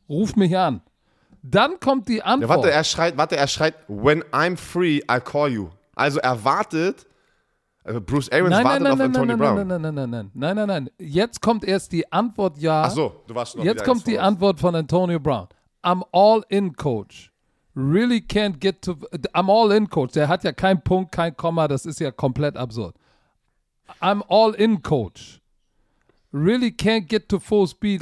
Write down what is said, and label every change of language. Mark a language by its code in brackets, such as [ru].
[de] Ruf mich an. Dann kommt die Antwort. Ja, warte, er schreit, [en] when I'm free, I call you. [de] Also er wartet, Bruce Arians wartet auf Antonio Brown. Jetzt kommt erst die Antwort, ja. Ach so, du warst schon noch. Jetzt kommt die Antwort von Antonio Brown. [en] I'm all in, Coach. Really can't get to, I'm all in, Coach. [de] Der hat ja keinen Punkt, kein Komma, das ist ja komplett absurd. I'm all in, Coach. [en] Really can't get to full speed.